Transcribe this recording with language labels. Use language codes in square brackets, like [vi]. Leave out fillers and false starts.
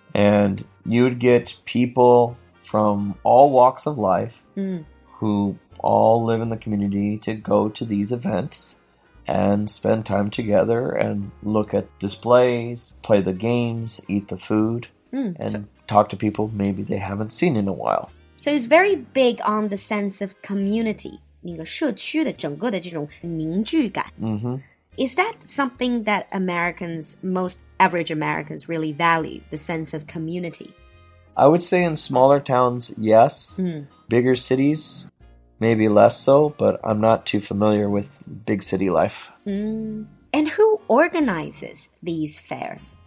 [en] And you'd get people from all walks of life who all live in the community to go to these events. And spend time together and look at displays, play the games, eat the food, and talk to people maybe they haven't seen in a while. So it's very big on the sense of community. [zh] 那个社区的整个的这种凝聚感。 [en] Is that something that Americans, most average Americans, really value, the sense of community? I would say in smaller towns, yes. Bigger cities... Maybe less so, but I'm not too familiar with big city life. And who organizes these fairs?